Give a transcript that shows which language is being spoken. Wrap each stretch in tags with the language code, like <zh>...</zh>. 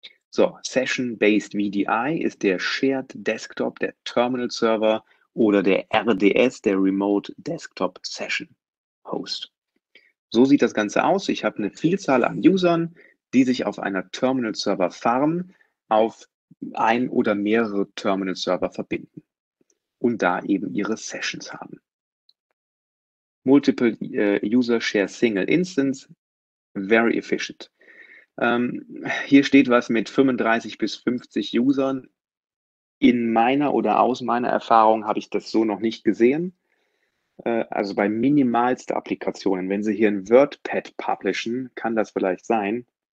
<de>So, Session-Based VDI ist der Shared Desktop, der Terminal Server oder der RDS, der Remote Desktop Session Host. So sieht das Ganze aus. Ich habe eine Vielzahl an Usern, die sich auf einer Terminal Server Farm auf ein oder mehrere Terminal Server verbinden und da eben ihre Sessions haben.</de> <en>Multiple User Share Single Instance, very efficient.</en> <de>Hier steht was mit 35 bis 50 Usern. In meiner oder aus meiner Erfahrung habe ich das so noch nicht gesehen. Also bei minimalsten Applikationen, wenn Sie hier ein WordPad publishen, kann das vielleicht sein.</de>